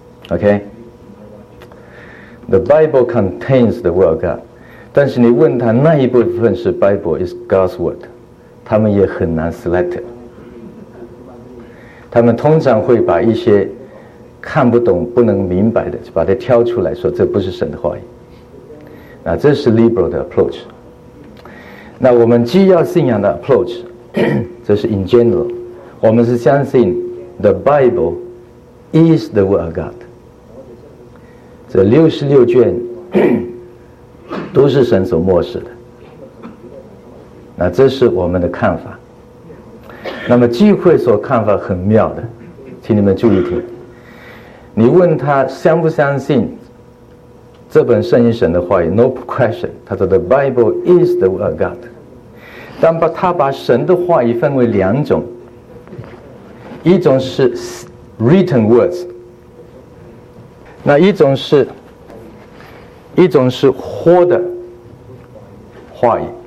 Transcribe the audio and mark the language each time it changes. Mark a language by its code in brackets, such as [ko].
[en] OK， the Bible contains the word of God， [zh] 但是你问他那一部分是 [en] Bible is God's word， [zh] 他们也很难 [en] select。 [zh] 他们通常会把一些看不懂不能明白的把它挑出来说这不是神的话语。那这是 liberal 的 approach。那我们既要信仰的 approach， 这是 in general， 我们是相信 [en] the Bible is the word of God， [zh] 这六十六卷都是神所默示的，那这是我们的看法。那么聚会所看法很妙的，请你们注意听，你问他相不相信这本圣经神的话语 [en] No question， [zh] 他说 [en] The Bible is the word of God。 [zh] 但他把神的话语分为两种，一种是 written words， 那一种是活的话语。